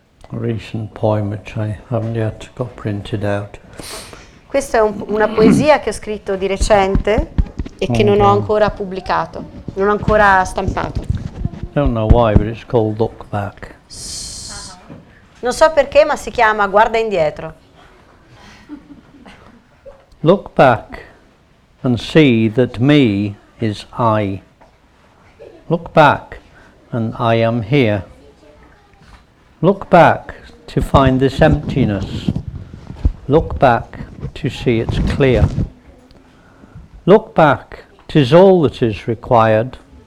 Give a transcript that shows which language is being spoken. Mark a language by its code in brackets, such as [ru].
[en] recent poem which I haven't yet got printed out. [it] Questa è una poesia che ho scritto di recente e che non ho ancora pubblicato, non ho ancora stampato. [en] I don't know why, but it's called Look Back. [it] Non so perché, ma si chiama Guarda indietro. [en] Look back and see that me is I. Look back and I am here. Look back to find this emptiness. Look back to see it's clear. Look back, 'tis all that is required.